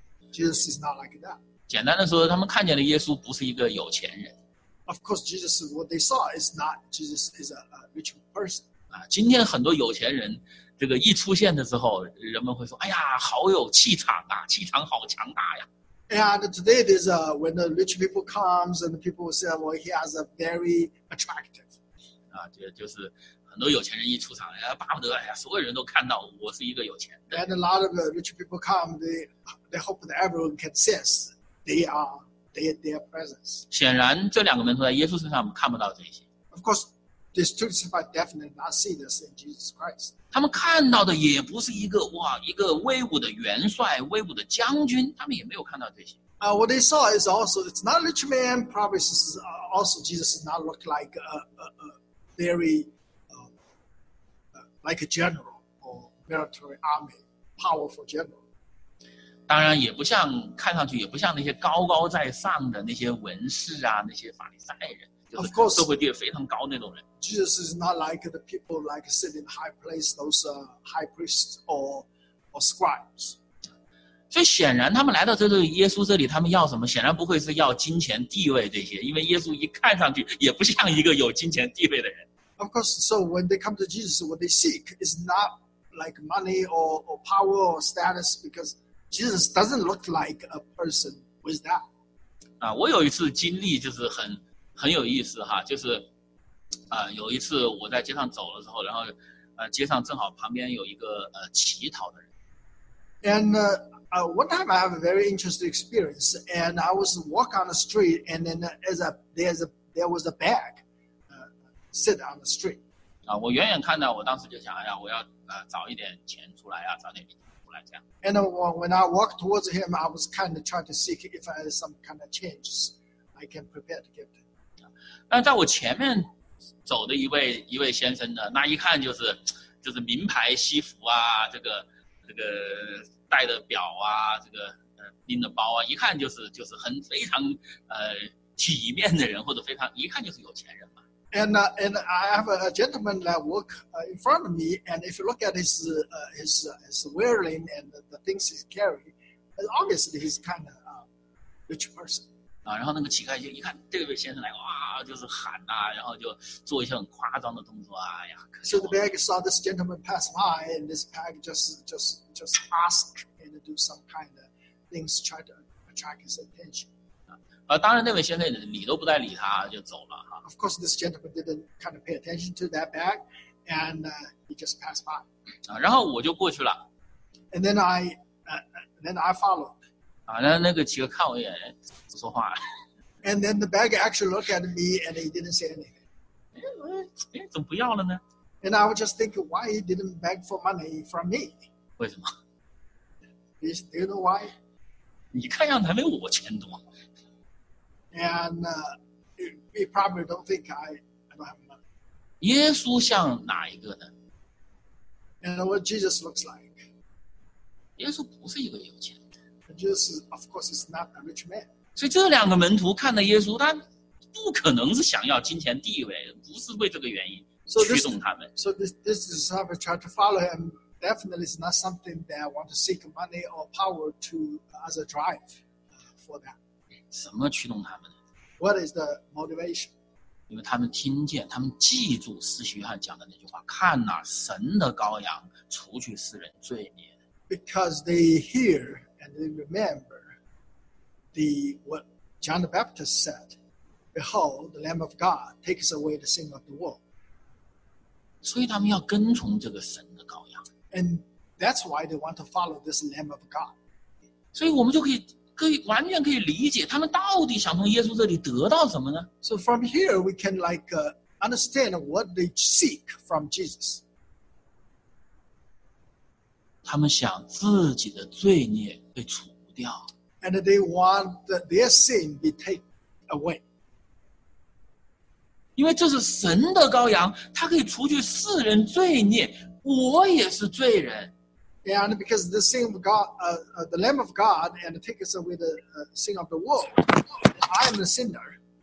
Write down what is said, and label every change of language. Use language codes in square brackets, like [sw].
[en] Jesus is not like that. [zh] 简单的说，他们看见的耶稣不是一个有钱人。 [en] Of course, Jesus, what they saw is not Jesus is a rich person. [zh] 今天很多有钱人。这个一出现的时候，人们会说：“哎呀，好有气场啊，气场好强大呀。” [en] And today there's when the rich people comes and the people say, "Well, he has a very attractive." [zh] 就是很多有钱人一出场，巴不得所有人都看到我是一个有钱的。 [en] And a lot of rich people come, they hope that everyone can sense their presence. [zh] 显然，这两个门徒在耶稣身上看不到这些。 [en] Of course. These two disciples definitely not see this in Jesus Christ. [zh] 他们看到的也不是一个哇，一个威武的元帅，威武的将军，他们也没有看到这些。 [en] What they saw is also it's not a rich man. Probably is also Jesus does not look like a very like a general or military army powerful general. [zh] 当然也不像看上去也不像那些高高在上的那些文士啊，那些法利赛人。 [en] Of course, [zh] 社会地位非常高那种人。 [en] Jesus is not like the people like sit in high place, those high priests or scribes. [zh] 所以显然，他们来到这个耶稣这里，他们要什么？显然不会是要金钱地位这些，因为耶稣一看上去也不像一个有金钱地位的人。 [en] Of course, so when they come to Jesus, what they seek is not like money or power or status, because Jesus doesn't look like a person with that. [zh] 我有一次经历就是很有意思哈，就是，有一次我在街上走的时候，然后，街上正好旁边有一个乞讨的人。 [en] And one time I have a very interesting experience, and I was walk on the street, and then there was a bag, sit on the street. [zh] 我远远看到，我当时就想，哎呀，我要找一点钱出来啊，找点礼金出来这样。 [en] And when I walked towards him, I was kind of trying to see if I had some kind of changes I can prepare to give. [zh] 那在我前面走的一位先生呢，那一看就是名牌西服啊，这个戴的表啊，这个拎的包啊，一看就是很非常体面的人，或者非常一看就是有钱人嘛。 [en] And I have a gentleman that work in front of me, and if you look at his wearing and the things he carry, obviously he's kind of a rich person. [zh] 啊，然后那个乞丐就一看这位先生来，哇，就是喊呐、啊，然后就做一些很夸张的动作啊，哎呀。 [en] So the beggar saw this gentleman pass by, and this beggar just ask and do some kind of things, try to attract his attention. [zh] 啊，当然那位先生理都不再理他，就走了。 [en] Of course, this gentleman didn't kind of pay attention to that bag, and he just passed by. [zh] 啊，然后我就过去了。 [en] And then I followed. [zh] 啊，那那个乞丐看我一眼，不说话。 [en] And then the bag actually looked at me, and he didn't say anything. [zh] 哎，怎么不要了呢 [en] ？And I was just thinking, why he didn't beg for money from me? [zh] 为什么 [en] ？Do you know why? [zh] 你看样子还没我钱多。 [en] And We probably don't think I don't have money. [zh] 耶稣像哪一个呢 [en] ？And what Jesus looks like? [zh] 耶稣不是一个有钱人。 [en] Jesus, of course, is not a rich man. [zh] 所以这两个门徒看到耶稣，他不可能是想要金钱地位，不是为这个原因驱动他们。 [en] So this disciple tried to follow him. Definitely, is not something that want to seek money or power to as a drive for that. [zh] 什么驱动他们？ [en] What is the motivation? [zh] 因为他们听见，他们记住施洗约翰讲的那句话：“看哪，神的羔羊，除去世人罪孽。” [en] Because they hear and they remember the what John the Baptist said: "Behold, the Lamb of God takes away the sin of the world." [zh] 所以他们要跟从这个神的羔羊。 [en] And that's why they want to follow this Lamb of God. [zh] 所以我们就可以完全可以理解他们到底想从耶稣这里得到什么呢 [en] ？So from here we can like understand what they seek from Jesus. [zh] 他们想自己的罪孽被除掉。 [en] And they want their sin be taken away. [zh] 因为这是神的羔羊，他可以除去世人罪孽，我也是罪人。 [en] And because the sin of God, the Lamb of God, and takes away the sin of the world, I am a sinner.